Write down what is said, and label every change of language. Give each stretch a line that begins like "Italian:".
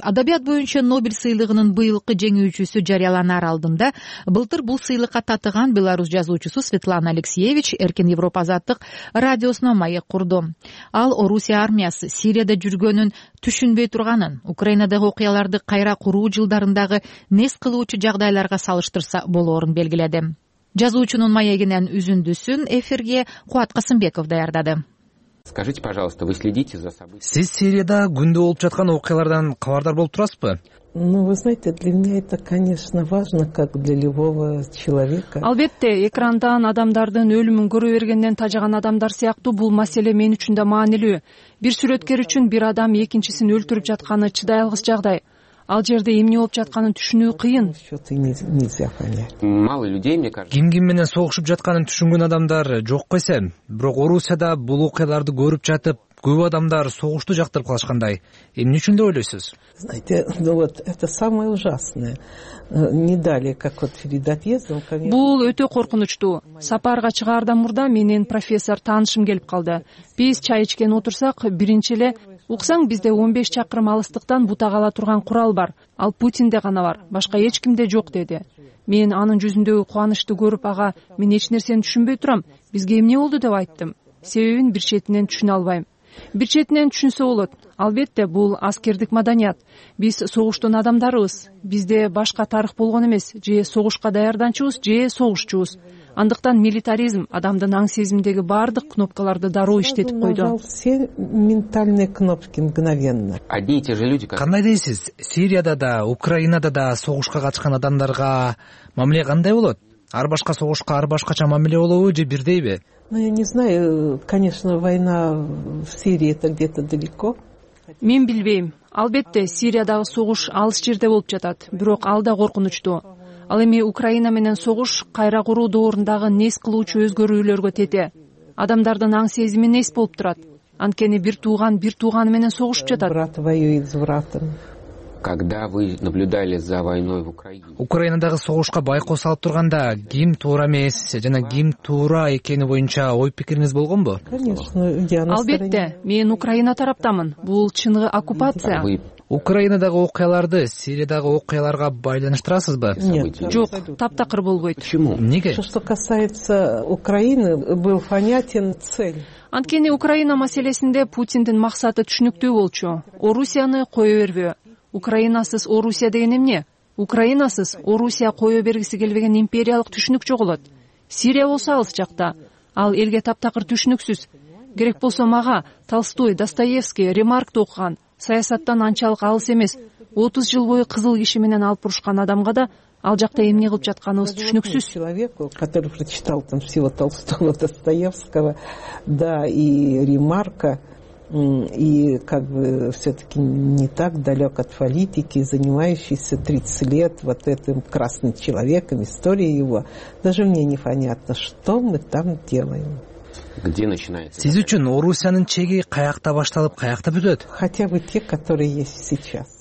Kyrgyz: Адабият боюнча Нобель сыйлыгынын быйылкы жеңүүчүсү жарыяланар алдында былтыр бул сыйлыкка татыган белорус жазуучусу Светлана Алексеевич Эркин Европа Азаттык радиосуна маек курду. Ал Орусия армиясы Сирияда жүргөнүн түшүнбөй турганын, Украинадагы окуяларды кайра куруу жылдарындагы нес кылуучу жагдайларга салыштырса болоорун белгиледи. Жазуучунун маегинен үзүндүсүн эфирге Кубат Касымбеков даярдады.
Russian: Скажите, пожалуйста, вы следите за событиями?
Kyrgyz: Сиз Сирияда күндө болуп жаткан окуялардан кабардар болуп турасызбы?
Russian: Ну, вы знаете, для меня это, конечно, важно, как для любого человека.
Kyrgyz: Албетте, экрандан адамдардын өлүмүн көрө бергенден тажаган адамдар сыяктуу бул маселе мен үчүн да маанилүү. Бир сүрөткер үчүн бир адам экинчисин өлтүрүп жатканы чыдай алгыс жагдай. Ал жерде эмне болуп жатканын түшүнүү кыйын.
Russian: Мало людей, мне кажется.
Kyrgyz: Ким ким менен согушуп жатканын түшүнгөн адамдар жок койсо, бирок Орусияда бул окуяларды көрүп жатып, көп адамдар согушту жактырып калышкандай, эмне үчүн деп ойлойсуз?
Russian: Знаете, ну вот это самое ужасное. Не дали, как вот перед отъездом, конечно.
Kyrgyz: Бул өтө коркунучтуу. Сапарга чыгаардан мурда менин профессор таанышым келип калды. Биз чай ичкен отурсак, биринчи эле уксаң бизде 15 чакырым алыстыктан бутагала турган курал бар. Ал Путинде гана бар, башка эч кимде жок деди. Мен анын жүзүндөгү кубанычты көрүп, ага, мен эч нерсени түшүнбөй турам. Бизге эмне болду деп айттым. Себебин бир четинен түшүнө албайм. Бир четинен түшүнсө болот. Албетте, бул аскердик маданият. Биз согуштун адамдарыбыз. Бизде башка тарых болгон эмес, же согушка даярданчубуз, же согушчубуз. Андыктан милитаризм адамдын аң сезимдеги бардык кнопкаларды дароо иштетип койду.
Russian: Все ментальные кнопки мгновенно. Одни и те же люди, как...
Kyrgyz: Кандай дейсиз, Сирияда да, Украинада да согушка катышкан адамдарга мамиле кандай болот? Ар башка согушка ар башкача мамиле болобу же бирдейби?
Russian: Ну, я не знаю, конечно, война в Сирии это где-то далеко.
Kyrgyz: Мен билбейм. Албетте, Сириядагы согуш алыс жерде болуп жатат, бирок ал да коркунучтуу. Ал эми Украина менен согуш кайра куруу доорундагы нес кылуучу өзгөрүүлөргө тете. Адамдардын аң сезими нес болуп турат. Анткени бир тууган бир тууганы менен согушуп жатат.
Russian: Брат воюет с братом. Когда вы наблюдали за войной в Украине?
Kyrgyz: Украинадагы согушка байкоо салып турганда ким туура эмес жана ким туура экени боюнча ой пикириңиз болгонбу?
Russian: Конечно.
Kyrgyz: Албетте, мен Украина тараптамын. Бул чыныгы оккупация. Украинадагы окуяларды Сириядагы окуяларга байланыштырасызбы?
Russian: Нет.
Kyrgyz: Жок, таптакыр болбойт.
Russian: Почему?
Kyrgyz: Неге?
Russian: Что касается Украины, был понятен цель.
Kyrgyz: Анткени Украина маселесинде Путиндин максаты түшүнүктүү болчу. Орусияны кое бербөө. Украинасыз Орусия деген эмне? Украинасыз Орусия кое бергиси келбеген империялык түшүнүк жоголот. Сирия болсо алыс жакта. Ал элге таптакыр түшүнүксүз. Керек болсо мага Толстой, Достоевский, Ремаркты окуган, саясаттан анчалык алыс эмес, 30 жыл бою кызыл киши менен алып урушкан адамга да ал жакта эмне кылып жатканыбыз түшүнүксүз.
Russian: Человеку, который прочитал там всего Толстого, Достоевского, да, и Ремарка, и как бы все-таки не так далек от политики, занимающийся 30 лет вот этим красным человеком, история его. Даже мне непонятно, что мы там делаем. Где начинается?
Kyrgyz: Сиз үчүн Орусиянын чеги каякта башталып, каякта бүтөт?
Russian: Хотя бы те, которые есть сейчас.